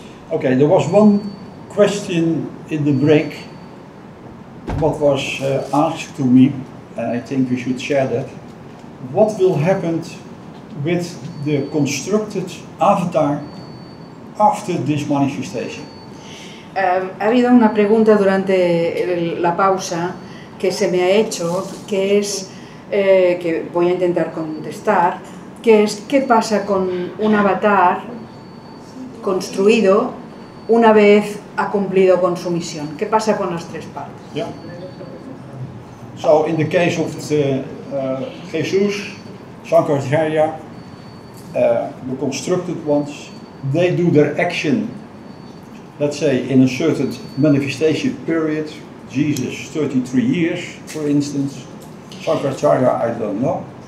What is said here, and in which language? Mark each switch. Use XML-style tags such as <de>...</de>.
<en>Okay, there was one question in the break. What was asked to me, and I think we should share that. What will happen with the constructed avatar after this manifestation?</en> <es>Ha habido una pregunta durante la pausa que se me ha hecho, que es, que voy a intentar contestar, que es, ¿qué pasa con un avatar construido una vez ha cumplido con su misión? ¿Qué pasa con las tres partes?</es> <en>Yeah. So, in the case of the, Jesús, Shankaracharya, the constructed ones, they do their action, let's say, in a certain manifestation period, Jesus 33 years, for instance, Shankaracharya, I don't know.</en>